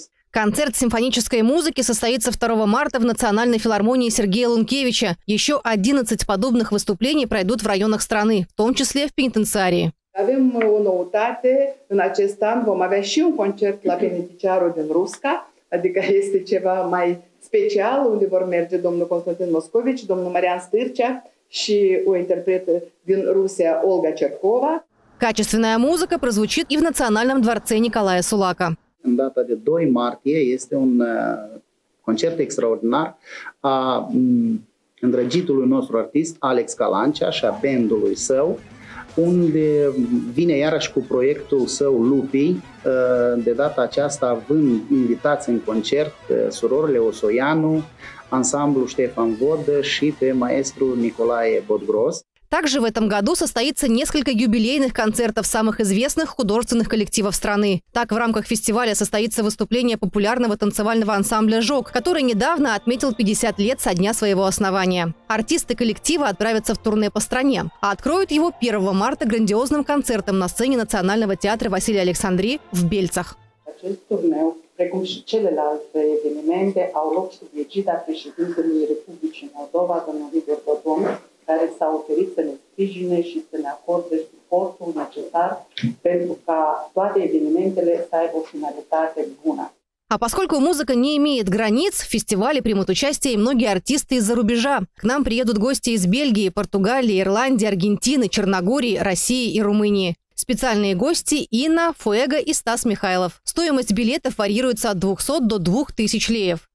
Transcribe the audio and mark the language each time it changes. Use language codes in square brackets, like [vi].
[ru] Концерт симфонической музыки состоится 2 марта в Национальной филармонии Сергея Лункевича. Еще 11 подобных выступлений пройдут в районах страны, в том числе в пенитенциарии. [ro] Avem o noutate. În acest an vom avea și un concert la penitenciarul din Rusca, adică este ceva mai special, unde vor merge domnul Constantin Moscovici, domnul Marian Stârcea și o interpretă din Rusia Olga Cercova. [ru] Качественная музыка прозвучит и в Национальном дворце Николая Сулака. [ro] Дата de 2 martie este un concert extraordinar a îndrăgitului nostru artist Alex Calancea și a bandului său, unde vine iarăși cu proiectul său Lupii, de data aceasta având invitați în concert surorile Osoianu, ansamblu Ștefan Vodă și pe maestru Nicolae Bodgros. [ru] Также в этом году состоится несколько юбилейных концертов самых известных художественных коллективов страны. Так, в рамках фестиваля состоится выступление популярного танцевального ансамбля «Жок», который недавно отметил 50 лет со дня своего основания. Артисты коллектива отправятся в турне по стране, а откроют его 1 марта грандиозным концертом на сцене Национального театра Василия Александрии в Бельцах. [ro] Precum și celelalte evenimente, au loc sub egida președintelui Republicii Moldova, domnul Liviu Dodon, care s-a oferit să ne sprijine și să ne acorde suportul necesar pentru ca toate evenimentele să aibă o finalitate bună. [ru] А поскольку музыка не имеет границ, в фестивале примут участие и многие артисты из-за рубежа. К нам приедут гости из Бельгии, Португалии, Ирландии, Аргентины, Черногории, России и Румынии. Специальные гости – Инна, Фуэго и Стас Михайлов. Стоимость билетов варьируется от 200 до 2000 леев.